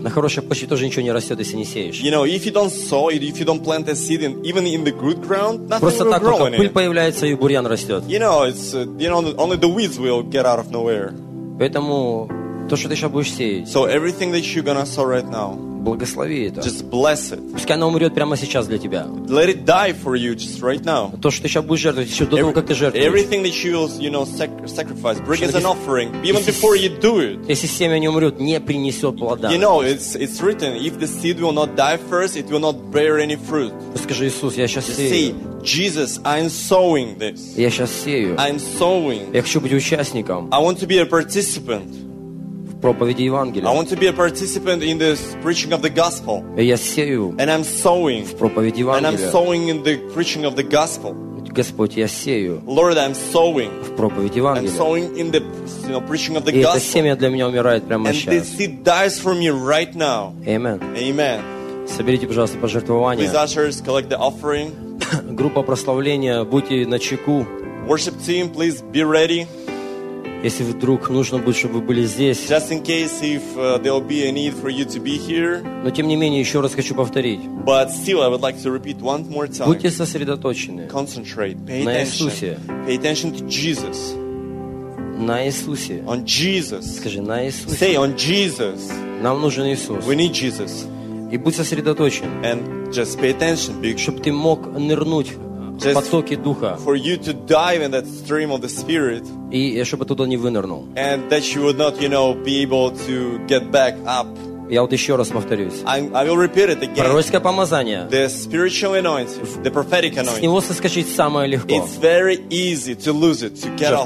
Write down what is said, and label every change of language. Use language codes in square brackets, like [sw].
[ru] На хорошей почве тоже ничего не растет, если не сеешь. [en] You know, if you don't sow, if you don't plant a seed, in, even in the good ground, nothing [ru] Просто [en] will [ru] так, [en] grow in it. [ru] Пыль появляется и бурьян растет. [en] You know, it's you know only the weeds will get out of nowhere. [ru] Поэтому то, что ты сейчас будешь сеять. [en] So everything that you're gonna sow right now. [ru] Благослови это. [en] Just bless it. [ru] Пускай оно умрет прямо сейчас для тебя. [en] Let it die for you just right now. [ru] То, что ты сейчас будешь жертвовать, еще до того, как ты жертвуешь. [en] Everything that you will, you know, sacrifice, bring as an offering, even before you do it. [ru] Если семя не умрет, не принесет плода. [en] You know, it's written, if the seed will not die first, it will not bear any fruit. [ru] Скажи, Иисус, я сейчас сею. [en] Say, Jesus, I'm sowing this. [ru] Я сейчас сею. [en] I'm sowing. [ru] Я хочу быть участником. [en] I want to be a participant. [ru] Проповеди Евангелия. [en] I want to be a participant in this preaching of the gospel. [ru] Я сею. [en] And I'm sowing. [ru] В проповеди Евангелия. [en] And I'm sowing in the preaching of the gospel. [ru] Господь, я сею. [en] Lord, I'm sowing. [ru] В проповеди Евангелия. [en] I'm sowing in the, you know, preaching of the [ru] И [en] gospel. [ru] И это семя для меня умирает прямо [en] And [ru] сейчас. [en] And this seed dies for me right now. Amen. Amen. [ru] Соберите, пожалуйста, пожертвования. [en] Please, ushers, collect the offering. [ru] Группа прославления, будьте начеку. [en] Worship team, please be ready. [ru] Если вдруг нужно будет, чтобы вы были здесь. [en] Just in case if there will be a need for you to be here. [ru] Но тем не менее, еще раз хочу повторить. [en] But still, I would like to repeat one more time. [ru] Будьте сосредоточены. [en] Concentrate. Pay [ru] На [en] attention. [ru] Иисусе. [en] Pay attention to Jesus. [ru] На Иисусе. [en] On Jesus. [ru] Скажи, на Иисусе. [en] Say, on Jesus. [ru] Нам нужен Иисус. [en] We need Jesus. [ru] И будь сосредоточен. [en] And just pay attention. [ru] Чтобы ты мог нырнуть. [en] Just [ru] потоки духа. [en] For you to dive in that stream of the spirit. [ru] И чтобы туда не вынырнул. [en] And that you would not, you know, be able to get back up. [ru] Я вот еще раз повторюсь. [en] I will repeat it again. [ru] Пророческое помазание. [en] The spiritual anointing, the prophetic anointing. [ru] С него соскочить самое легко. [en] It's very easy to lose it, to get off.